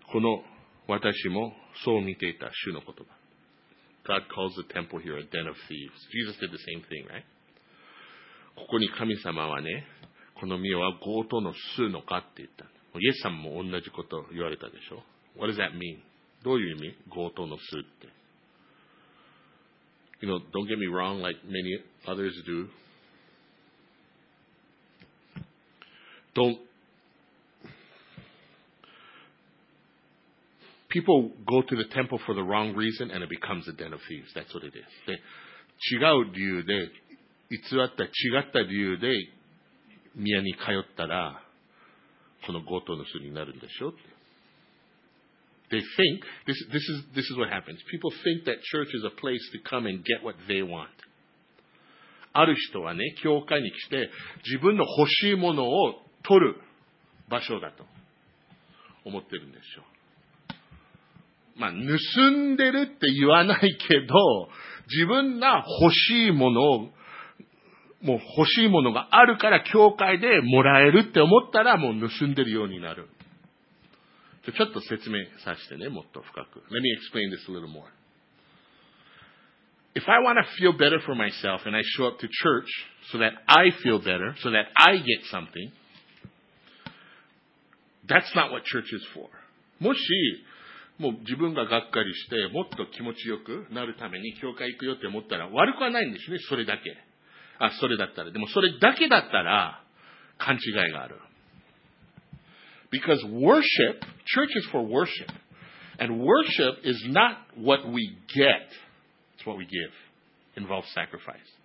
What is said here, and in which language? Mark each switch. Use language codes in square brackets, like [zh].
[ja] この私もそう見ていた主の言葉。 [en] God calls the temple here a den of thieves. Jesus did the same thing, right? [ja] ここに神様はね、この見よは強盗の巣のかって言った。イエスさんも同じこと言われたでしょ。 [en] What does that mean? [ja] どういう意味？強盗の巣って。 [en] You know, don't get me wrong, like many others do. People go to the temple for the wrong reason and it becomes a den of thieves. That's what it is. [ja] で、違う理由で、偽った違った理由で宮に通ったら、この強盗の巣になるんでしょって。 [en] They think, this is what happens. People think that church is a place to come and get what they want. [ja] ある人はね、教会に来て自分の欲しいものを取る場所だと思ってるんでしょう。まあ、盗んでるって言わないけど、自分が欲しいものを、もう欲しいものがあるから教会でもらえるって思ったらもう盗んでるようになる。ちょっと説明させてね、もっと深く。 [en] Let me explain this a little more. If I want to feel better for myself and I show up to church so that I feel better, so that I get something, that's not what church is for. [ja] もし、もう自分ががっかりして、もっと気持ちよくなるために教会行くよって思ったら悪くはないんですね、それだけ。あ、それだったら。でもそれだけだったら、勘違いがある。 [en] Because worship, church is for worship. And worship is not what we get. It's what we give. Involves sacrifice.